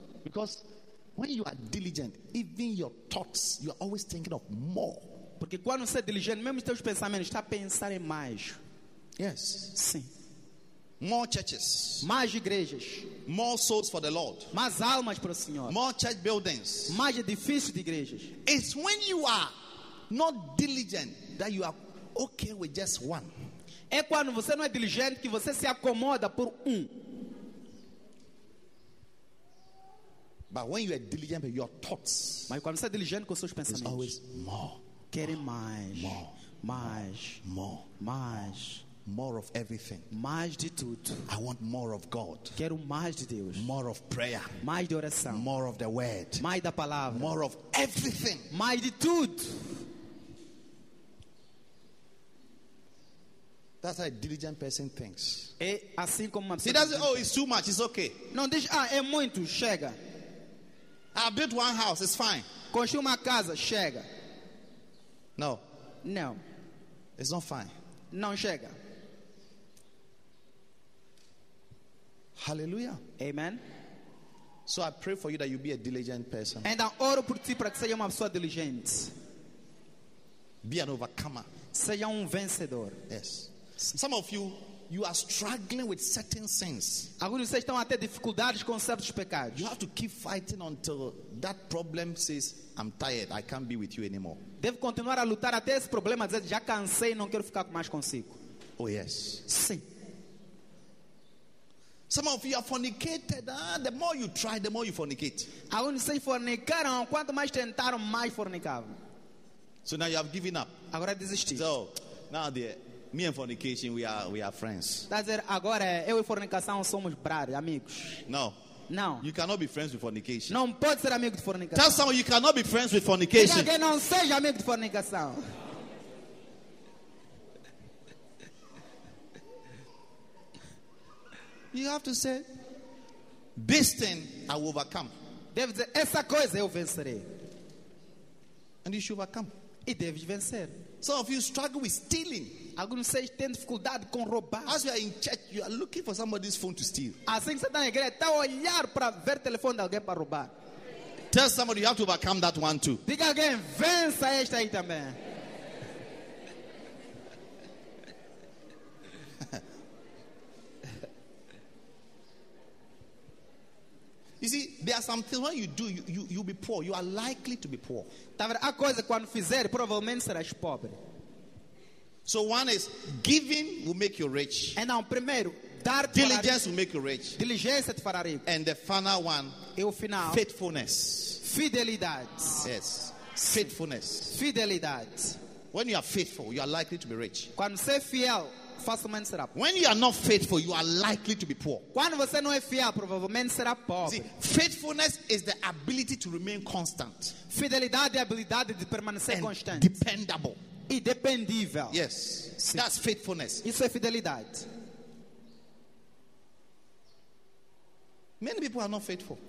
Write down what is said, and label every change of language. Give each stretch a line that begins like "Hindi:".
English: Because when you are diligent, even your thoughts, you are always thinking of more.
Portuguese: Porque quando você é diligente, mesmo os teus pensamentos, está a pensar em mais.
English: Yes.
Portuguese: Sim.
English: More churches.
Portuguese: Mais igrejas.
English: More souls for the Lord.
Portuguese: Mais almas para o Senhor.
English: More church buildings.
Portuguese: Mais edifícios de igrejas.
English: It's when you are not diligent that you are okay with just one.
Portuguese: É quando você não é diligente que você se acomoda por um.
English: But when you are diligent with your thoughts.
Portuguese: Mas quando você é diligente com seus pensamentos.
English: It's always more.
Portuguese: Querem mais
English: of everything.
Portuguese: Mais de tudo.
English: I want more of God.
Portuguese: Quero mais de Deus.
English: More of prayer.
Portuguese: Mais de oração.
English: More of the word.
Portuguese: Mais da palavra.
English: More of everything.
Portuguese: Mais de tudo.
English: That's how a diligent person thinks.
Portuguese: É assim como uma pessoa.
English: He doesn't, it's too much, it's okay.
Portuguese: Não diz, é muito, chega.
English: I built one house, it's fine.
Portuguese: Construí uma casa, chega.
English: No. No. It's not fine.
Portuguese: Não chega.
English: Hallelujah.
Portuguese: Amen.
English: So I pray for you that you be a diligent person. And I
Portuguese: oro por ti para que seja uma pessoa diligente.
English: Be an overcomer.
Portuguese: Seja vencedor.
English: Yes. Some of you you are struggling with certain sins.
Portuguese: Alguns de vocês estão até dificuldades com certos pecados.
English: You have to keep fighting until that problem says, I'm tired, I can't be with you anymore.
Portuguese: Deve continuar a lutar até esse problema dizer, já cansei, não quero ficar mais consigo.
English: Oh yes.
Portuguese: Sim.
English: Some of you are fornicated. The more you try, the more you fornicate.
Portuguese: Alguns de vocês fornicaram, quanto mais tentaram, mais fornicavam.
English: So now you have given up.
Portuguese: Agora desisti.
English: So now the me and fornication, we are friends.
Portuguese: Quer dizer, agora eu e fornicação somos brothers, amigos.
English: No.
Portuguese: Não.
English: You cannot be friends with fornication.
Portuguese: Não pode ser amigo de fornicação.
English: Tell someone you cannot be friends with fornication.
Portuguese: Diga que não seja amigo de fornicação.
English: You have to say, this thing I will overcome.
Portuguese: Deve dizer, essa coisa eu vencerei.
English: And you should overcome.
Portuguese: E deves vencer.
English: Some of you struggle with stealing.
Portuguese: Alguns de vocês têm dificuldade com roubar.
English: As you are in church, you are looking for somebody's phone to steal.
Portuguese: Assim que você está na igreja, está a olhar para ver o telefone de alguém para roubar.
English: Tell somebody you have to overcome that one too.
Portuguese: Diga alguém, vença esta aí também.
English: You see, there are some things when you do, you'll be poor. You are likely to be poor.
Portuguese: Tá vendo? A coisa quando fizer, provavelmente serás pobre.
English: So one is giving will make you rich.
Portuguese: E não, primeiro, dar
English: diligence will make you rich.
Portuguese: Diligência te fará rico.
English: And the final one,
Portuguese: e o final,
English: faithfulness.
Portuguese: Fidelidade.
English: Yes. Faithfulness.
Portuguese: Fidelidade.
English: When you are faithful, you are likely to be rich.
Portuguese: Quando você é fiel,
English: when you are not faithful, you are likely to be poor.
Portuguese: Quando você não é fiel, provavelmente será pobre.
English: See, faithfulness is the ability to remain constant.
Portuguese: Fidelidade é a habilidade de permanecer constante.
English: Dependable.
Portuguese: E dependível.
English: Yes.
Portuguese: Sim.
English: That's faithfulness.
Portuguese: Isso é fidelidade.
English: Many people are not faithful.